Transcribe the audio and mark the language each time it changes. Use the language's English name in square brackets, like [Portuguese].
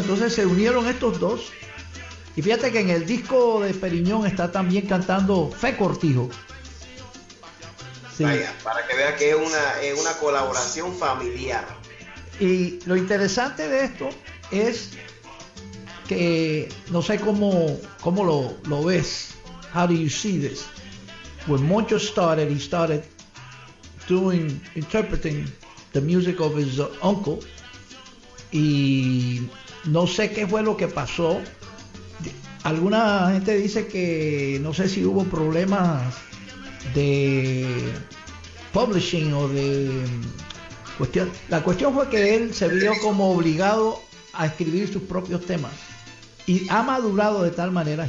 [Spanish] Entonces se unieron estos dos. Y fíjate que en el disco de Perignon está también cantando Fe Cortijo. Sí. Vaya, para que vea que es una colaboración familiar. Y lo interesante de esto es que no sé cómo lo ves. [English] How do you see this? When Moncho started, he started interpreting the music of his uncle. [Spanish] Y no sé qué fue lo que pasó. Alguna gente dice que no sé si hubo problemas de publishing o de cuestión. La cuestión fue que él se vio como obligado a escribir sus propios temas y ha madurado de tal manera.